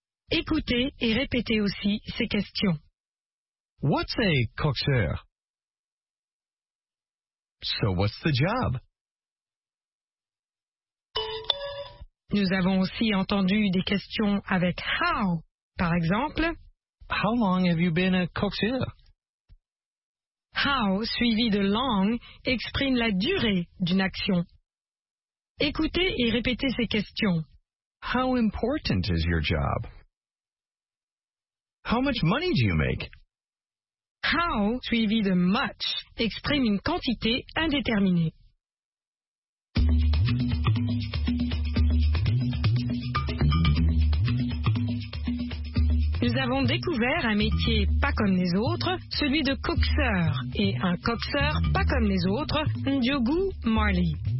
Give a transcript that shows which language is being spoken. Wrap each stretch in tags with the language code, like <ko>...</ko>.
<fr>Écoutez et répétez aussi ces questions.</fr> <en>What's a coxeur? So what's the job?</en> <fr>Nous avons aussi entendu des questions avec how. Par exemple,</fr> <en>how long have you been a coxeur?</en> <fr>How, suivi de long, exprime la durée d'une action. Écoutez et répétez ces questions.</fr> <en>How important is your job? How much money do you make?</en> <fr>How, suivi de much, exprime une quantité indéterminée. Nous avons découvert un métier pas comme les autres, celui de coxeur, et un coxeur pas comme les autres, Ndiogu Marley.</fr>